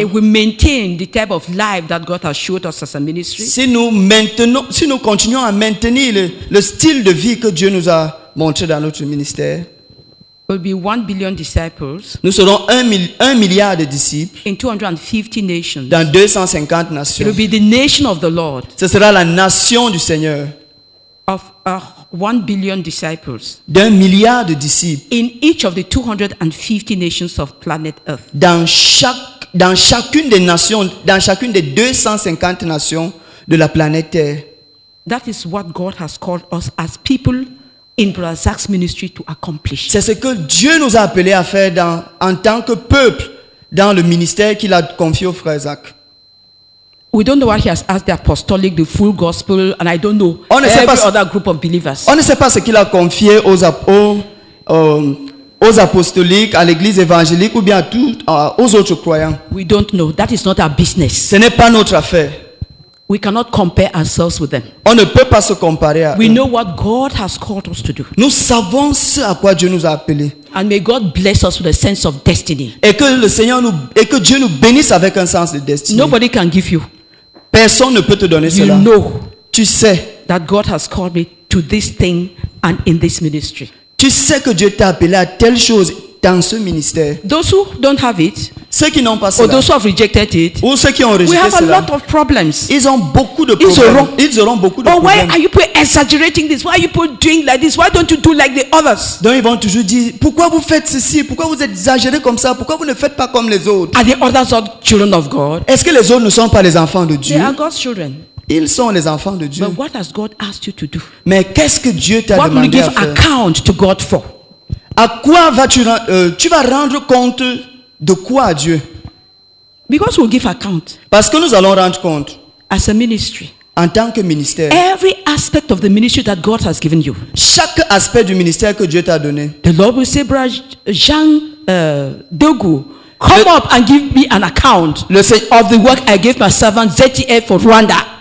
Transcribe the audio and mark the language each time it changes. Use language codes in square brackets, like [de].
[en] if we maintain the type of life that God has showed us as a ministry, [fr] si nous continuons à maintenir le style de vie que Dieu nous a montré dans notre ministère, [en] we'll be 1 billion disciples. [fr] Nous serons 1 milliard de disciples [en] in 250 nations. [fr] Dans 250 nations. [en] It will be the nation of the Lord. [fr] Ce sera la nation du Seigneur. [en] Of 1 billion disciples. [fr] D'un milliard de disciples. [en] In each of the 250 nations of planet Earth. [fr] Dans chacune des nations, dans chacune des 250 nations de la planète Terre. [en] That is what God has called us as people in Brother Zach's ministry to accomplish. [fr] C'est ce que Dieu nous a appelé à faire en tant que peuple dans le ministère qu'il a confié au frère Zach. [en] We don't know what he has asked the apostolic, the full gospel, and I don't know other group of believers. [fr] On ne sait pas ce qu'il a confié aux apostoliques, à l'église évangélique ou bien aux autres croyants. [en] We don't know. That is not our business. [fr] Ce n'est pas notre affaire. [en] We cannot compare ourselves with them. [fr] On ne peut pas se comparer à [en] eux. We know what God has called us to do. [fr] Nous savons ce à quoi Dieu nous a appelés. [en] And may God bless us with a sense of destiny. [fr] Et que Dieu nous bénisse avec un sens de destinée. [en] Nobody can give you. [fr] Personne ne peut te donner [en] you [fr] cela. [en] You know. [fr] Tu sais. [en] That God has called me to this thing and in this ministry. [fr] Tu sais que Dieu t'a appelé à telle chose dans ce ministère. [en] Those who don't have it. [fr] Ceux qui n'ont pas cela. [en] Or those who have rejected it. [fr] Ou ceux qui ont rejeté cela. We [en] a lot of problems. [fr] Ils ont beaucoup de problèmes. Ils auront beaucoup de problèmes. [en] Why are you people exaggerating this? Why are you people doing like this? Why don't you do like the others? [fr] Donc ils vont toujours dire, pourquoi vous faites ceci? Pourquoi vous êtes exagéré comme ça? Pourquoi vous ne faites pas comme les autres? [en] Are the others not children of God? [fr] Est-ce que les autres ne sont pas les enfants de Dieu? [en] They are God's children. [fr] Ils sont les enfants de Dieu. [en] But what has God asked you to do? [fr] Mais qu'est-ce que Dieu t'a [en] what [fr] demandé à faire? [en] What will you give account to God for? [fr] À quoi vas-tu tu vas rendre compte de quoi à Dieu? [en] Because we'll give account. [fr] Parce que nous allons rendre compte. [en] As a ministry. [fr] En tant que ministère. [en] Every aspect of the ministry that God has given you. [fr] Chaque aspect du ministère que Dieu t'a donné. [en] The Lord will say, Brother Jean Dogo, come up and give me an account of the work I gave my servant ZTF for Rwanda.